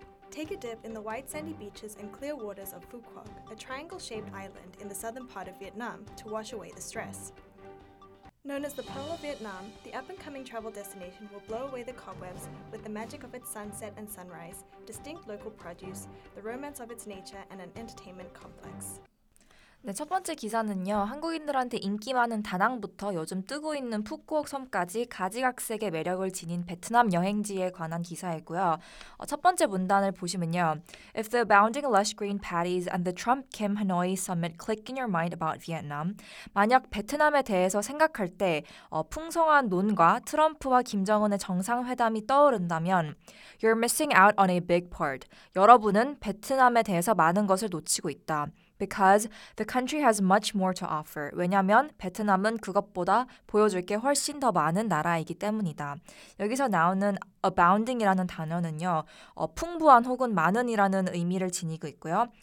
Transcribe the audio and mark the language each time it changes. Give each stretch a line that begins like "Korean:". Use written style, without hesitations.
English: Take a dip in the white sandy beaches and clear waters of Phu Quoc, a triangle-shaped island in the southern part of Vietnam, to wash away the stress. Known as the Pearl of Vietnam, the up-and-coming travel destination will blow away the cobwebs with the magic of its sunset and sunrise, distinct local produce, the romance of its nature, and an entertainment complex.
Korean: 네, 첫 번째 기사는요. 한국인들한테 인기 많은 다낭부터 요즘 뜨고 있는 푸꾸옥 섬까지 가지각색의 매력을 지닌 베트남 여행지에 관한 기사이고요. 첫 번째 문단을 보시면요.
English: If the abounding lush green paddies and the Trump-Kim Hanoi summit click in your mind about Vietnam.
Korean: 만약 베트남에 대해서 생각할 때 풍성한 논과 트럼프와 김정은의 정상회담이 떠오른다면
English: You're missing out on a big part.
Korean: 여러분은 베트남에 대해서 많은 것을 놓치고 있다.
English: Because the country has much more to offer.
Korean: 왜냐하면 베트남은 그것보다 보여줄 게 훨씬 더 많은 나라이기 때문이다. 여기서 나오는 abounding이라는 단어는요. 풍부한 혹은 많은이라는 의미를 지니고 있고요.